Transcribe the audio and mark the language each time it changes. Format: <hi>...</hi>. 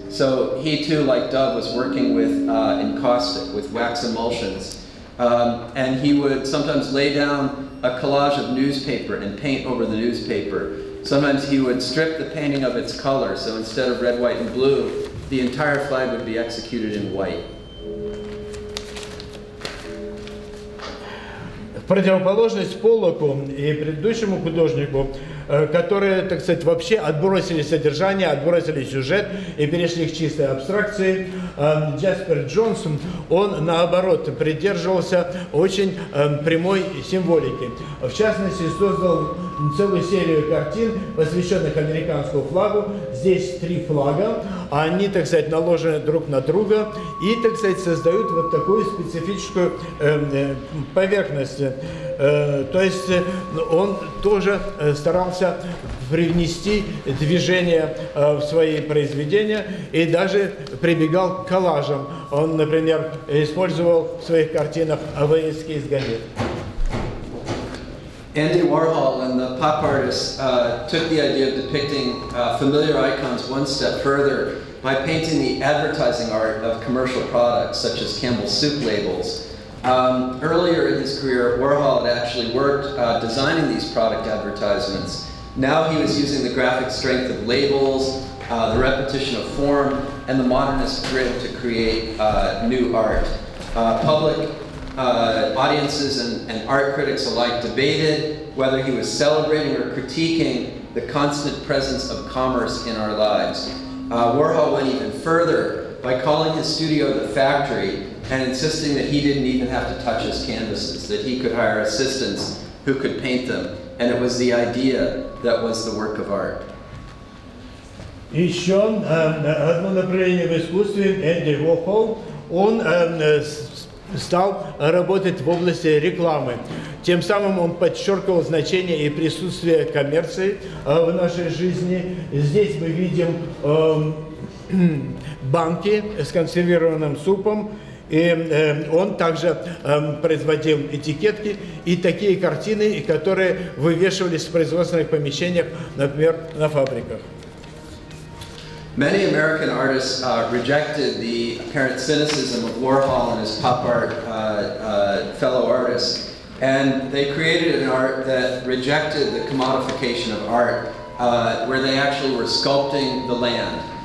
<en>So he too, like Doug, was working with encaustic, with wax emulsions. And he would sometimes lay down a collage of newspaper and paint over the newspaper. Sometimes he would strip the painting of its color, so instead of red, white, and blue, the entire flag would be executed in white.</en> <ru>В противоположность Поллоку и предыдущему художнику, которые, так сказать, вообще отбросили содержание, отбросили сюжет и перешли к чистой абстракции, Джаспер Джонсон, он, наоборот, придерживался очень прямой символики. В частности, создал целую серию картин, посвященных американскому флагу. Здесь три флага, они, так сказать, наложены друг на друга и, так сказать, создают вот такую специфическую поверхность. То есть он тоже старался привнести движение в свои произведения и даже прибегал к коллажам. Он, например, использовал в своих картинах вырезки из газет.</ru> <en>Andy Warhol and the pop artists took the idea of depicting familiar icons one step further by painting the advertising art of commercial products, such as Campbell's soup labels. Earlier in his career, Warhol had actually worked designing these product advertisements. Now he was using the graphic strength of labels, the repetition of form, and the modernist grid to create new art. Audiences and art critics alike debated whether he was celebrating or critiquing the constant presence of commerce in our lives. Warhol went even further by calling his studio the factory and insisting that he didn't even have to touch his canvases, that he could hire assistants who could paint them, and it was the idea that was the work of art.</en> <ru>Еще одно направление в искусстве Энди Уорхол, он стал работать в области рекламы. Тем самым он подчеркивал значение и присутствие коммерции в нашей жизни. Здесь мы видим банки с консервированным супом, и он также производил этикетки и такие картины, которые вывешивались в производственных помещениях, например, на фабриках.</ru> <en>Many American artists rejected the apparent cynicism of Warhol and his pop art fellow artists, and they created an art that rejected the commodification of art, where they actually were sculpting the land.</en>